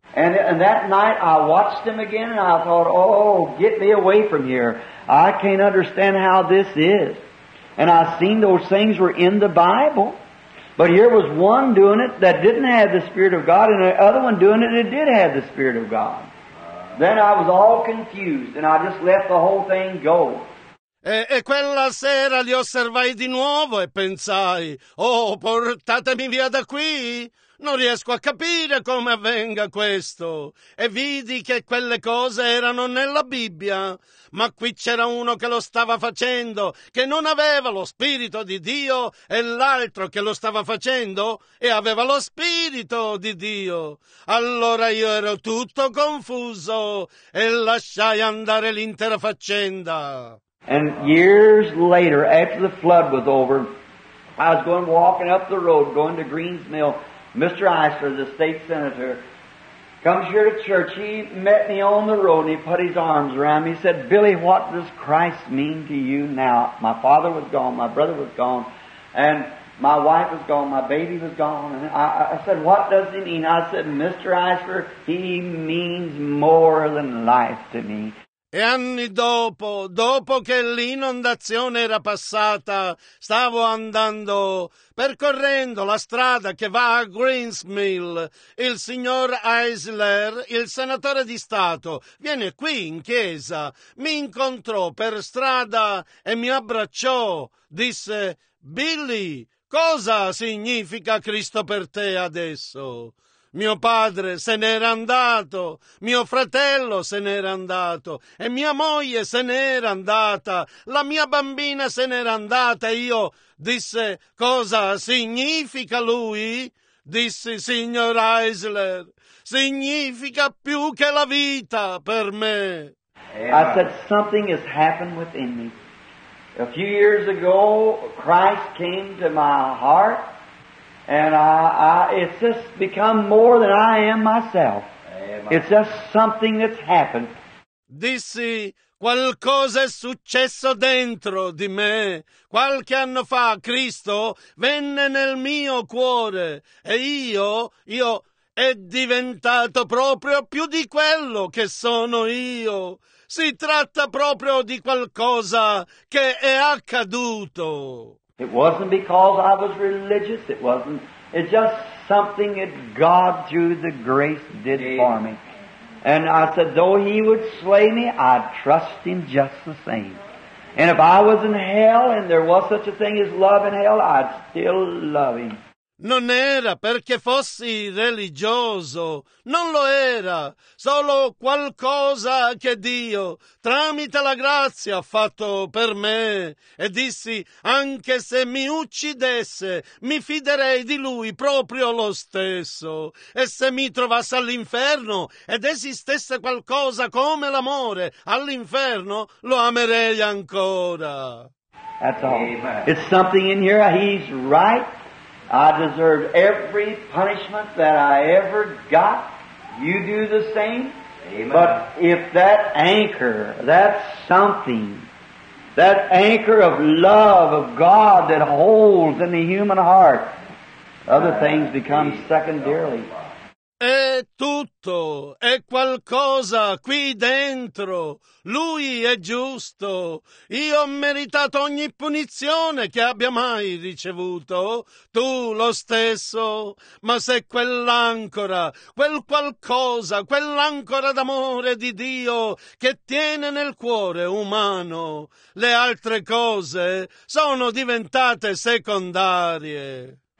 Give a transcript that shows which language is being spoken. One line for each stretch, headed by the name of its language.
English: And that night I watched them again and I thought, oh, get me away from here. I can't understand how this is. and I seen those things were in the Bible. But here was one doing it that didn't have the Spirit of God, and the other one doing it that did have the Spirit of God. Then I was all confused, and I just left the whole thing go.
Italian: E quella sera li osservai di nuovo e pensai, oh, portatemi via da qui! Non riesco a capire come avvenga questo. E vidi che quelle cose erano nella Bibbia, ma qui c'era uno che lo stava facendo, che non aveva lo Spirito di Dio, e l'altro che lo stava facendo e aveva lo Spirito di Dio. Allora io ero tutto confuso e lasciai andare l'intera faccenda.
English: And years later, after the flood was over, I was going walking up the road, going to Green's Mill. Mr. Eisler, the state senator, comes here to church. He met me on the road and he put his arms around me. He said, Billy, what does Christ mean to you now? My father was gone, my brother was gone, and my wife was gone, my baby was gone. And I said, what does he mean? I said, Mr. Eisler, he means more than life to me.
Italian: E anni dopo, dopo che l'inondazione era passata, stavo andando, percorrendo la strada che va a Green's Mill. Il signor Eisler, il senatore di Stato, viene qui in chiesa, mi incontrò per strada e mi abbracciò. Disse, Billy, cosa significa Cristo per te adesso? Mio padre se n'era andato, mio fratello se n'era andato, e mia moglie se n'era andata, la mia bambina se n'era andata, e io disse, cosa significa lui? Disse, signor Eisler, significa più che la vita per me.
English: I said, something has happened within me. A few years ago, Christ came to my heart, and it's just become more than I am myself. Amen. It's just something that's happened.
Italian: Dissi, qualcosa è successo dentro di me. Qualche anno fa Cristo venne nel mio cuore e io è diventato proprio più di quello che sono io. Si tratta proprio di qualcosa che è accaduto.
English: It wasn't because I was religious, it wasn't. It's just something that God, through the grace, did for me. And I said, though he would slay me, I'd trust him just the same. And if I was in hell, and there was such a thing as love in hell, I'd still love him.
Italian: Non era perché fossi religioso, non lo era, solo qualcosa che Dio, tramite la grazia, ha fatto per me. E dissi, anche se mi uccidesse, mi fiderei di lui proprio lo stesso. E se mi trovasse all'inferno ed esistesse qualcosa come l'amore all'inferno, lo amerei ancora.
English: That's all. It's something in here, he's right. I deserved every punishment that I ever got. You do the same. Amen. But if that anchor, that something, that anchor of love of God that holds in the human heart, other things become secondarily.
Italian: È tutto, è qualcosa qui dentro. Lui è giusto. Io ho meritato ogni punizione che abbia mai ricevuto. Tu lo stesso. Ma se quell'ancora, quel qualcosa, quell'ancora d'amore di Dio che tiene nel cuore umano, le altre cose sono diventate secondarie.